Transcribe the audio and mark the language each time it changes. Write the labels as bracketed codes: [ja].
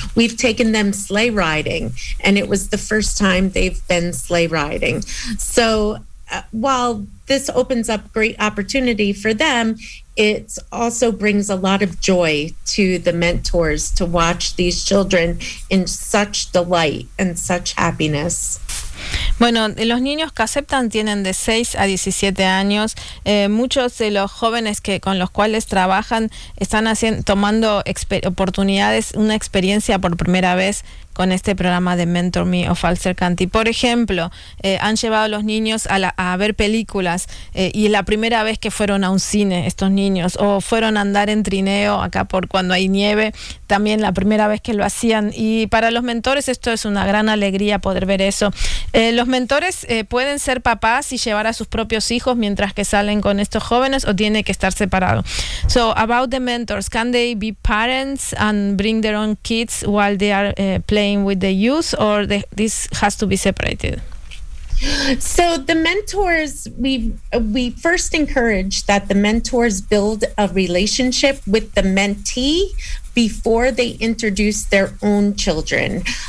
[en] We've taken them sleigh riding and it was the first time they've been sleigh riding. So while this opens up great opportunity for them, it also brings a lot of joy to the mentors to watch these children in such delight and such happiness. [es] Bueno, los niños que aceptan tienen de 6 a 17 años. Muchos de los jóvenes que con los cuales trabajan están tomando oportunidades, una experiencia por primera vez con este programa de Mentor Me o Falser County. Por ejemplo, han llevado a los niños a ver películas y es la primera vez que fueron a un cine estos niños, o fueron a andar en trineo acá por cuando hay nieve, también la primera vez que lo hacían. Y para los mentores esto es una gran alegría poder ver eso. ¿Los mentores pueden ser papás y llevar a sus propios hijos mientras que salen con estos jóvenes o tiene que estar separado? [en] So, about the mentors, can they be parents and bring their own kids while they are playing with the youth, or this has to be separated? So the mentors, we first encourage that the mentors build a relationship with the mentee before they introduce their own children.